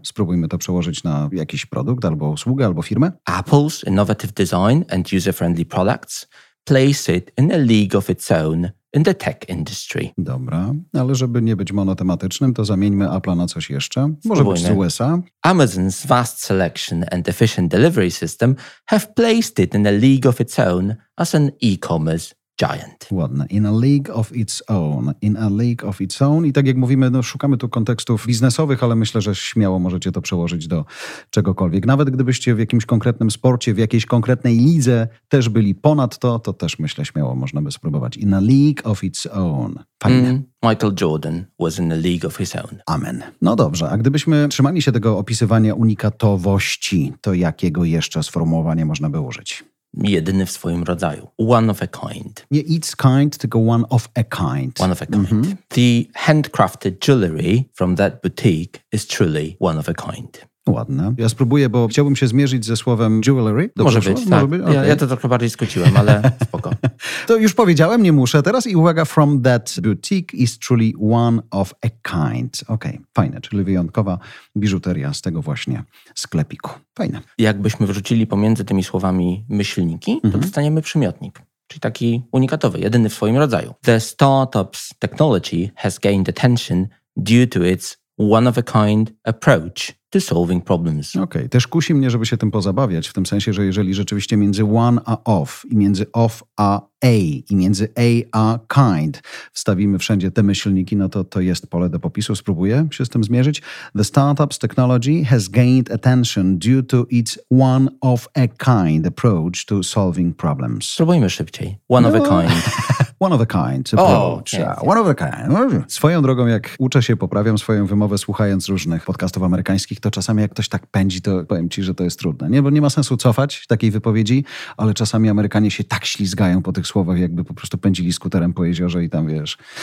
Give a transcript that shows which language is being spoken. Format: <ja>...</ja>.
<pl>Spróbujmy to przełożyć na jakiś produkt, albo usługę, albo firmę.</pl> <en>Apple's innovative design and user-friendly products place it in a league of its own in the tech industry.</en> <pl>Dobra, ale żeby nie być monotematycznym, to zamieńmy Apple'a na coś jeszcze. Może być z USA.</pl> <en>Amazon's vast selection and efficient delivery system have placed it in a league of its own as an e-commerce giant. Ładne. In a league of its own. In a league of its own.</en> <pl>I tak jak mówimy, no szukamy tu kontekstów biznesowych, ale myślę, że śmiało możecie to przełożyć do czegokolwiek. Nawet gdybyście w jakimś konkretnym sporcie, w jakiejś konkretnej lidze też byli ponad to, to też myślę, śmiało można by spróbować.</pl> <en>In a league of its own. Fajne. Michael Jordan was in a league of his own. Amen.</en> <pl>No dobrze, a gdybyśmy trzymali się tego opisywania unikatowości, to jakiego jeszcze sformułowania można by użyć? Jedyny w swoim rodzaju.</pl> <en>One of a kind.</en> <pl>Nie</pl> <en>its kind,</en> <pl>tylko</pl> <en>one of a kind. One of a kind. The handcrafted jewelry from that boutique is truly one of a kind.</en> <pl>Ładne. Ja spróbuję, bo chciałbym się zmierzyć ze słowem jewelry. Może być, tak. Może być? Okay. Ja to trochę bardziej skróciłem, ale spoko. To już powiedziałem, nie muszę teraz. I uwaga,</pl> <en>from that boutique is truly one of a kind.</en> <pl>Okej, fajne, czyli wyjątkowa biżuteria z tego właśnie sklepiku. Fajne. Jakbyśmy wrzucili pomiędzy tymi słowami myślniki, to dostaniemy przymiotnik. Czyli taki unikatowy, jedyny w swoim rodzaju.</pl> <en>The startup's technology has gained attention due to its one-of-a-kind approach to solving problems.</en> <pl>Okej, też kusi mnie, żeby się tym pozabawiać, w tym sensie, że jeżeli rzeczywiście między one a of i między of a a i między a a kind wstawimy wszędzie te myślniki, no to to jest pole do popisu. Spróbuję się z tym zmierzyć.</pl> <en>The startup's technology has gained attention due to its one-of-a-kind approach to solving problems.</en> <pl>Spróbujmy szybciej.</pl> <en>One-of-a-kind. One of a kind. One of a kind.</en> <pl>Swoją drogą, jak uczę się, poprawiam swoją wymowę słuchając różnych podcastów amerykańskich, to czasami jak ktoś tak pędzi, to powiem ci, że to jest trudne. Nie, bo nie ma sensu cofać takiej wypowiedzi, ale czasami Amerykanie się tak ślizgają po tych słowach, jakby po prostu pędzili skuterem po jeziorze i tam, wiesz.</pl>